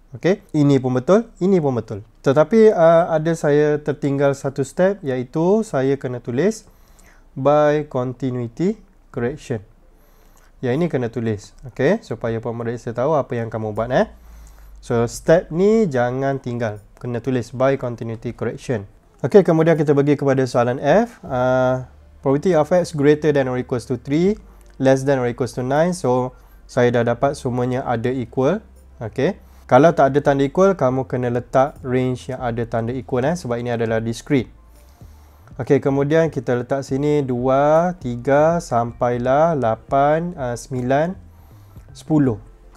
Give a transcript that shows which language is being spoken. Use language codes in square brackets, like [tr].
[ms] Okay, ini pun betul, ini pun betul. Tetapi ada saya tertinggal satu step, iaitu saya kena tulis [en] by continuity correction. [ms] Yang ini kena tulis. Okay, supaya pemeriksa tahu apa yang kamu buat. So step ni jangan tinggal. Kena tulis [en] by continuity correction. [ms] Okay, kemudian kita bagi kepada soalan F. [en] Probability of X greater than or equals to 3, less than or equals to 9. [ms] So saya dah dapat semuanya ada equal. Okay, kalau tak ada tanda equal, kamu kena letak range yang ada tanda equal, sebab ini adalah discrete. Okay, kemudian kita letak sini 2, 3, sampailah 8, 9, 10.